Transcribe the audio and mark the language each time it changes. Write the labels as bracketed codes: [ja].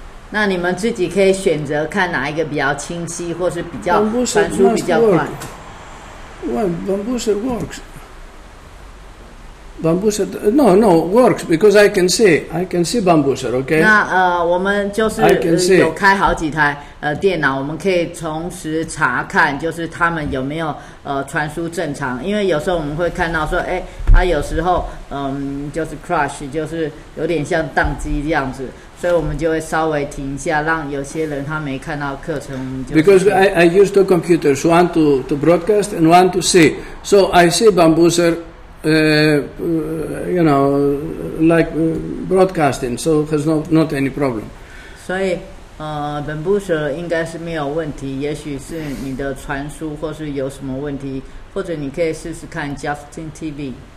[zh] 那你们自己可以选择看哪一个比较清晰，或是比较传输比较快。 [en] Well, Bambusha works. Bambusha, no, works because I can see Bambusha, okay? [zh] 那我们就是有开好几台电脑，我们可以同时查看，就是他们有没有传输正常。因为有时候我们会看到说，哎，他有时候就是 crash, 就是有点像宕机这样子。所以我们就会稍微停一下，让有些人他没看到课程。 [en] Because I use two computers, one to broadcast and one to see. So I see Bambusha, you know, like broadcasting. So has not any problem. [zh] 所以Bambusha 应该是没有问题，也许是你的传输或是有什么问题，或者你可以试试看 Justin TV.